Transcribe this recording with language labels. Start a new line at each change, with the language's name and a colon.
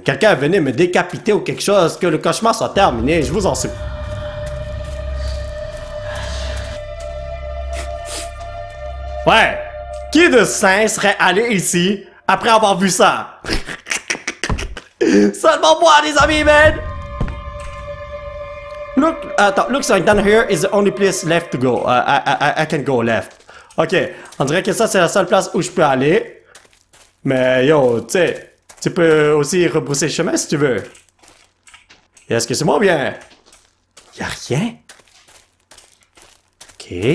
French: Quelqu'un venait me décapiter ou quelque chose, que le cauchemar soit terminé, je vous en supplie. Ouais! Qui de saint serait allé ici après avoir vu ça? Seulement moi, les amis, man!
English: Look, attends, looks like down here is the only place left to go. I can go left.
French: Ok, on dirait que ça, c'est la seule place où je peux aller. Mais yo, tu sais, tu peux aussi rebrousser le chemin si tu veux. Et est-ce que c'est moi ou bien? Y'a rien? Ok.